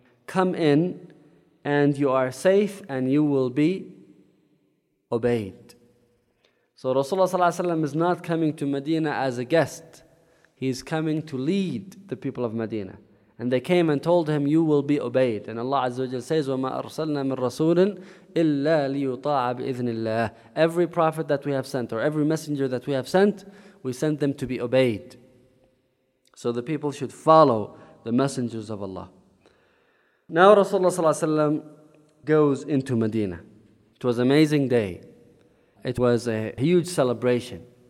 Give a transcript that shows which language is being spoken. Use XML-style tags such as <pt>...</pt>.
<en>Come in and you are safe and you will be obeyed. So Rasulullah ﷺ is not coming to Medina as a guest. He is coming to lead the people of Medina. And they came and told him, "You will be obeyed." And Allah Azza wa Jal says,</en> <ar>"وَمَا أَرْسَلْنَا مِنْ رَسُولٍ إِلَّا لِيُطَاعَ بِإِذْنِ اللَّهِ."</ar> <en>Every prophet that we have sent, or every messenger that we have sent, we send them to be obeyed. So the people should follow the messengers of Allah. Now Rasulullah ﷺ goes into Medina. It was an amazing day. It was a huge celebration.</en>